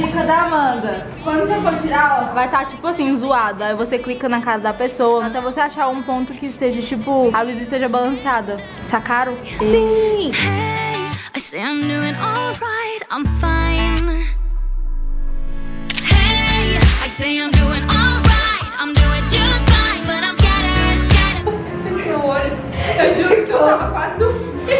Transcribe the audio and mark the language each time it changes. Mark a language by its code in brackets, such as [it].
[pt] Amanda, quando você for tirar, ó, vai estar tipo assim, zoada. Aí você clica na cara da pessoa até você achar um ponto que esteja tipo, a luz esteja balanceada. Sacaram? Sim! [en] Hey, I say I'm doing alright, I'm fine. Hey, I say I'm doing alright, I'm doing just fine, but I'm scattered, scattered. [pt] Eu juro que eu tava quase do